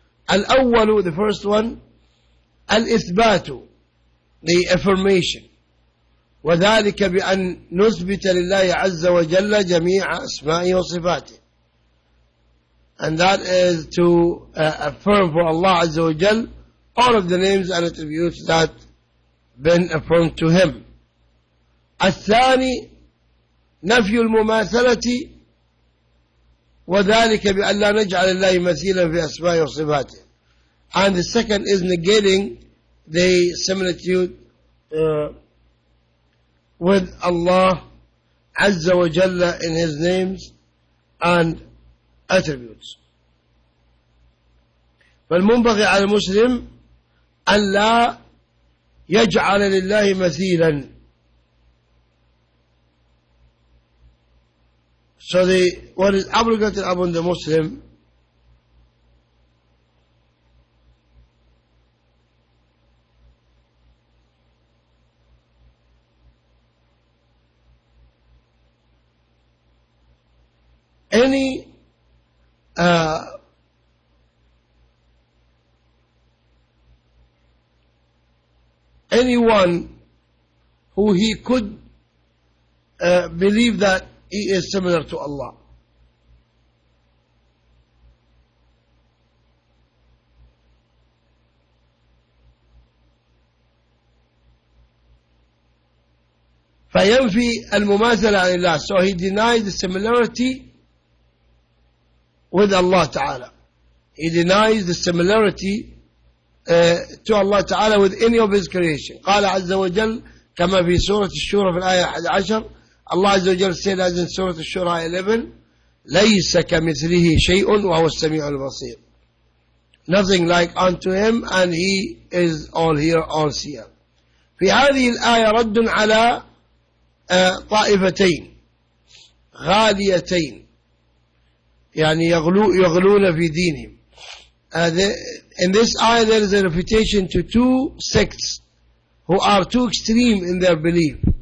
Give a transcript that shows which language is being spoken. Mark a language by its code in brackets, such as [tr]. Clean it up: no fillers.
[en] الأول, the first one, الإثبات, the affirmation. [ar] وذلك بأن نثبت لله عز وجل جميع أسمائه وصفاته. [en] And that is to affirm for Allah [ar] عز وجل [en] all of the names and attributes that been affirmed to him. [ar] الثاني, نفي المماثلة, وذلك بأن لا نجعل الله مثيلا في أسمائه وصفاته. [en] And the second is negating the similitude with Allah Azza wa Jalla in his names and attributes. [ar] فالمنبغي على المسلم أن لا يجعل لله مثيلا. [en] So the, what is obligated upon the Muslim any anyone who he could believe that he is similar to Allah. [ar] فينفي المماثلة عن الله. [en] So he denies the similarity with Allah Ta'ala. He denies the similarity to Allah Ta'ala with any of his creation. [ar] قال عز وجل كما في سورة الشورى في الآية 11, Allah عز وجل [en] said as in [ar] سورة الشورى 11, ليس كمثله شيء وهو السميع البصير. [en] Nothing like unto him, and he is all here, all seer. [ar] في هذه الآية رد على طائفتين غاليتين, يعني يغلون في دينهم. [en] In this ayah there is a refutation to two sects who are too extreme in their belief.